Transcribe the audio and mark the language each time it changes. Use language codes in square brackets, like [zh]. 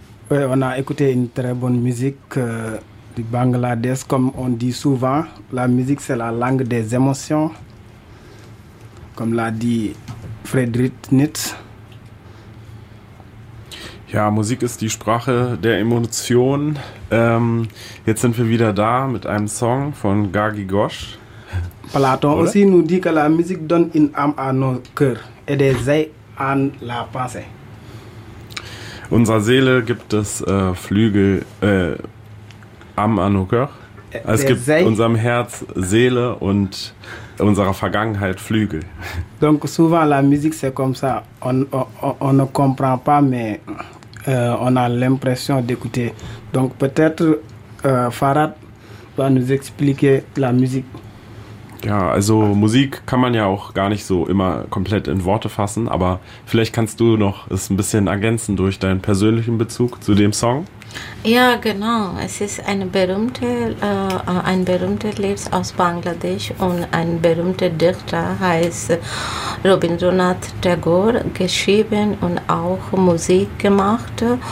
[fr] On a écouté une très bonne musique du Bangladesh. Comme on dit souvent, la musique c'est la langue des émotions, comme l'a dit Friedrich Nietzsche. [de] Ja, Musik ist die Sprache der Emotionen. Jetzt sind wir wieder da mit einem Song von Gagi Ghosh. Platon oder? [fr] Aussi nous dit que la musique donne une âme à nos cœurs et des ailes à la pensée. [de] Unserer Seele gibt es Flügel am Anukar. Es gibt unserem Herz Seele und unserer Vergangenheit Flügel. [fr] Donc souvent la musique c'est comme ça. On ne comprend pas, mais on a l'impression d'écouter. Donc peut-être Farad va nous expliquer la musique. [de] Ja, also Musik kann man ja auch gar nicht so immer komplett in Worte fassen, aber vielleicht kannst du noch es ein bisschen ergänzen durch deinen persönlichen Bezug zu dem Song. Ja, genau. Es ist ein berühmter Lied aus Bangladesch und ein berühmter Dichter heißt Rabindranath Tagore, geschrieben und auch Musik gemacht.